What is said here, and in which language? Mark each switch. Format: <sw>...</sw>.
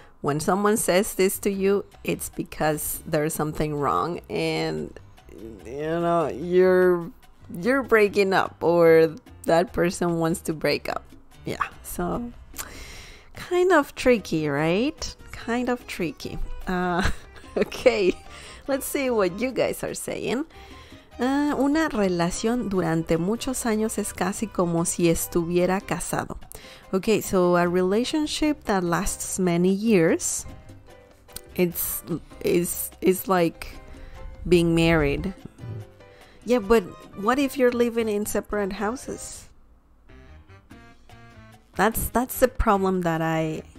<en>When someone says this to you, it's because there's something wrong and, you know, you're breaking up or that person wants to break up. Yeah, so kind of tricky, right? Kind of tricky. Okay, let's see what you guys are saying.</en> <es>Una relación durante muchos años es casi como si estuviera casado.</es> <en>Okay, so a relationship that lasts many years, it's like being married. Yeah, but what if you're living in separate houses? That's the problem that I...</en>